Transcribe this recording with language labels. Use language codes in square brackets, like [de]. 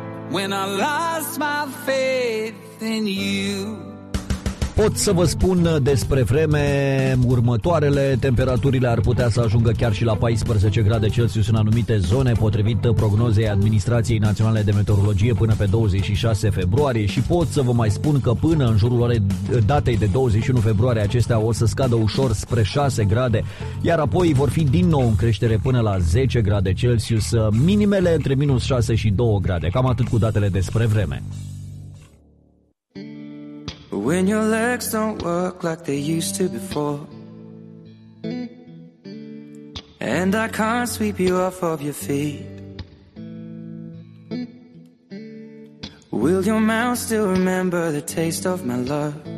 [en] when I lost my faith in you. [ro] Pot să vă spun despre vreme următoarele. Temperaturile ar putea să ajungă chiar și la 14 grade Celsius în anumite zone, potrivit prognozei Administrației Naționale de Meteorologie până pe 26 februarie. Și pot să vă mai spun că până în jurul datei de 21 februarie acestea o să scadă ușor spre 6 grade, iar apoi vor fi din nou în creștere până la 10 grade Celsius, minimele între minus 6 și 2 grade. Cam atât cu datele despre vreme. [en] When your legs don't work like they used to before, and I can't sweep you off of your feet, will your mouth still remember the taste of my love?